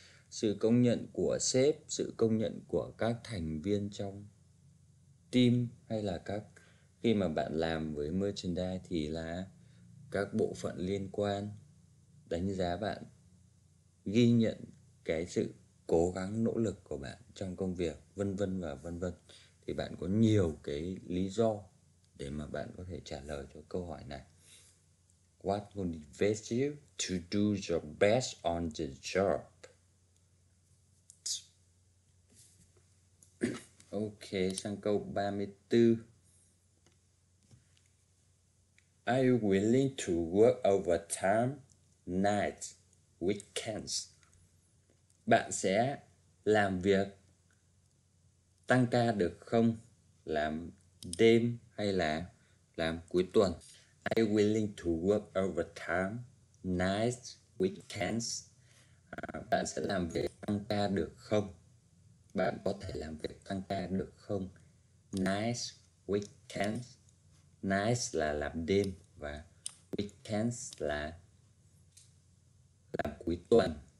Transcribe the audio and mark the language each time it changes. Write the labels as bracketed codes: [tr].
[vi] sự công nhận của sếp, sự công nhận của các thành viên trong team, hay là các khi mà bạn làm với merchandise thì là các bộ phận liên quan đánh giá bạn, ghi nhận cái sự cố gắng nỗ lực của bạn trong công việc, vân vân và vân vân. Thì bạn có nhiều cái lý do để mà bạn có thể trả lời cho câu hỏi này. [en] What motivates you to do your best on the job? [vi] Ok, sang câu 34. [en] Are you willing to work overtime, night, weekends? [vi] Bạn sẽ làm việc tăng ca được không? Làm đêm hay là làm cuối tuần? [en] Are you willing to work overtime, night, weekends? [vi] Bạn sẽ làm việc tăng ca được không? Bạn có thể làm việc tăng ca được không? [en] Nights, weekends. [vi] Nights là làm đêm và weekends là làm cuối tuần.